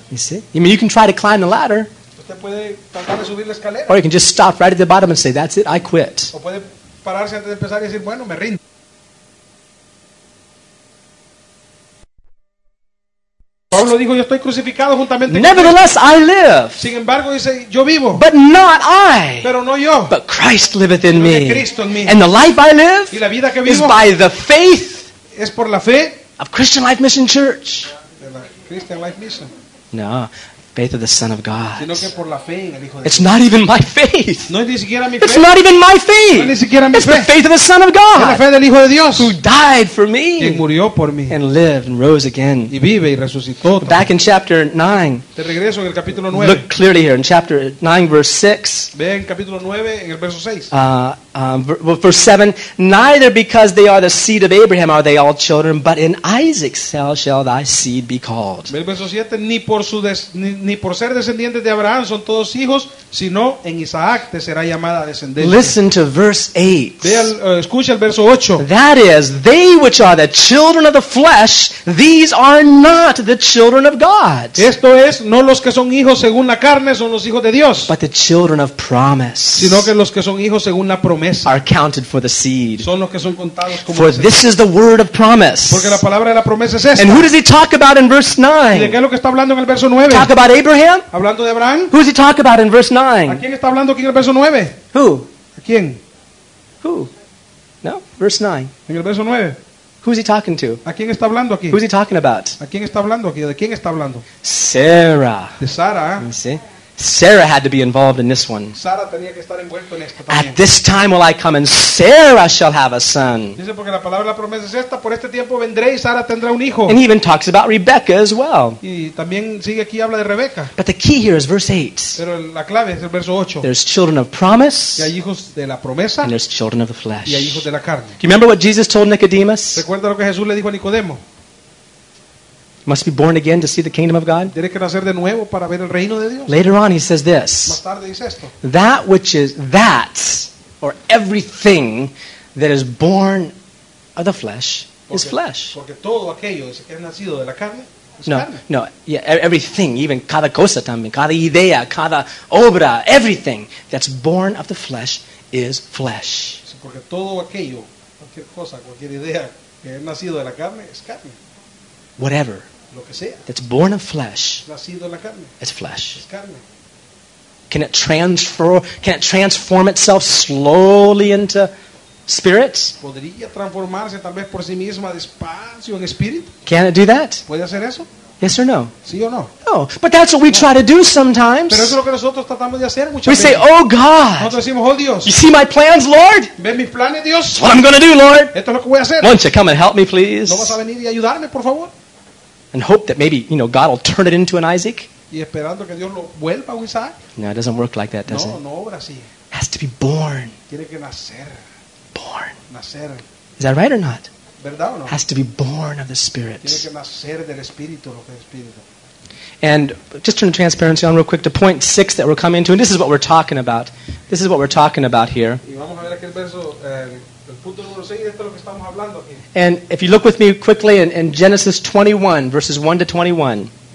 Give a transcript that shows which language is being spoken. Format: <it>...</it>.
<en>You see? I mean, you can try to climb the ladder.</en> <es>Usted puede tratar de subir la escalera.</es> <en>Or you can just stop right at the bottom and say, that's it, I quit.</en> <es>O puede pararse antes de empezar y decir, bueno, me rindo. Pablo dijo, yo estoy crucificado juntamente con</es> <en>Nevertheless,</en> <es>Cristo.</es> <en>I live.</en> <es>Sin embargo, dice, yo vivo.</es> <en>But not I.</en> <es>Pero no yo.</es> <en>But Christ liveth in me.</en> <es>Cristo en mí.</es> <en>And the life I live</en> <es>y la vida que vivo</es> <en>is by the faith</en> <es>es por la fe</es> <en>of Christian Life Mission Church.</en> <es>De la Christian Life Mission.</es> <en>No. Faith of the Son of God.</en> <es>Sino que por la fe en el Hijo de</es> <en>it's not even my faith.</en> <es>No es ni siquiera mi fe.</es> <en>It's not even my faith.</en> <es>No es ni siquiera mi</es> <en>it's</en> <es>fe.</es> <en>The faith of the Son of God.</en> <es>Es la fe del Hijo de Dios.</es> <en>Who died for me.</en> <es>Y murió por mí.</es> <en>And lived and rose again.</en> <es>Y vive y resucitó.</es> <en>Back in chapter 9.</en> <es>Te regreso en el capítulo 9.</es> <en>Look clearly here in chapter 9 verse 6.</en> <es>Ve en capítulo 9 en el verso 6.</es> <en>Verse 7. Neither because they are the seed of Abraham are they all children, but in Isaac shall thy seed be called.</en> <es>Ve el verso 7. Ni por ser descendientes de Abraham son todos hijos, sino en Isaac te será llamada descendencia.</es> <en>Listen to verse 8.</en> <es>Escucha el verso 8.</es> <en>That is, they which are the children of the flesh, these are not the children of God.</en> <es>Esto es, no los que son hijos según la carne son los hijos de Dios.</es> <en>But the children of promise.</en> <es>Sino que los que son hijos según la promesa.</es> <en>Are counted for the seed.</en> <es>Son los que son contados como.</es> <en>For this is the word of promise.</en> <es>Porque la palabra de la promesa es esta.</es> <en>And who does he talk about in verse 9?</en> <es>¿De qué es lo que está hablando en el verso 9?</es> <en>Talk about Abraham?</en> <es>Hablando de Abraham?</es> <en>Who does he talk about in verse 9?</en> <es>¿A quién está hablando aquí en el verso 9?</es> <en>Who?</en> <es>¿A quién?</es> <en>Who? No, verse 9.</en> <es>En el verso 9.</es> <en>Who is he talking to?</en> <es>¿A quién está hablando aquí?</es> <en>Who is he talking about?</en> <es>¿A quién está hablando aquí? ¿De quién está hablando?</es> <en>Sarah.</en> <es>De Sara.</es> <en>You see? Sarah had to be involved in this one.</en> <es>Sara tenía que estar envuelto en esto también.</es> <en>At this time will I come and Sarah shall have a son.</en> <es>Dice porque la palabra de la promesa es esta, por este tiempo vendré y Sara tendrá un hijo.</es> <en>And he even talks about Rebecca as well.</en> <es>Y también sigue aquí habla de Rebeca.</es> <en>But the key here is verse 8.</en> <es>Pero la clave es el verso 8.</es> <en>There's children of promise.</en> <es>Y hay hijos de la promesa.</es> <en>And there's children of the flesh.</en> <es>Y hay hijos de la carne.</es> <en>Do you remember what Jesus told Nicodemus?</en> <es>¿Recuerda lo que Jesús le dijo a Nicodemo?</es> <en>Must be born again to see the kingdom of God.</en> <es>Tiene que nacer de nuevo para ver el reino de Dios.</es> <en>Later on, he says this.</en> <es>Más tarde dice esto.</es> <en>That which is that, or everything that is born of the flesh,</en> <es>porque,</es> <en>is flesh.</en> <es>Porque todo aquello que es nacido de la carne. No, carne.</es> <en>No, yeah, everything, even</en> <es>cada cosa también, cada idea, cada obra,</es> <en>everything that's born of the flesh is flesh.</en> <es>Porque todo aquello, cualquier cosa, cualquier idea que es nacido de la carne es carne.</es> <en>Whatever</en> <es>lo que sea.</es> <en>That's born of flesh,</en> <es>nacido en la carne.</es> <en>It's flesh.</en> <es>Es carne.</es> <en>Can it transform itself slowly into spirit?</en> <es>¿Podría transformarse tal vez por sí misma despacio en espíritu?</es> <en>Can it do that?</en> <es>¿Puede hacer eso?</es> <en>Yes or no?</en> <es>¿Sí o no? No.</es> <en>But that's what we try to do sometimes.</en> <es>Pero eso es lo que nosotros tratamos de hacer muchas</es> <en>veces. We say, oh God.</en> <es>Nosotros decimos, oh Dios.</es> <en>You see my plans, Lord?</en> <es>¿Ves mis planes, Dios?</es> <en>What I'm going to do, Lord.</en> <es>Esto es lo que voy a hacer.</es> <en>Won't you come and help me, please?</en> <es>¿No vas a venir y ayudarme, por favor?</es> <en>And hope that maybe, you know, God will turn it into an Isaac.</en> <es>Y esperando que Dios lo vuelva a un Isaac.</es> <en>No, it doesn't work like that, does</en> <es>no,</es> <en>it?</en> <es>No, no obra así.</es> <en>It has to be born.</en> <es>Tiene que nacer.</es> <en>Born.</en> <es>Nacer.</es> <en>Is that right or not?</en> <es>¿Verdad o no?</es> <en>Has to be born of the Spirit.</en> <es>Tiene que nacer del Espíritu, lo que es Espíritu.</es> <en>And just turn the transparency on real quick to point six that we're coming to, and this is what we're talking about. This is what we're talking about here.</en> <es>Y vamos a ver aquel verso, el punto número seis, esto es lo que estamos hablando aquí.</es> <en>And if you look with me quickly in Genesis 21, verses 1 to 21.</en>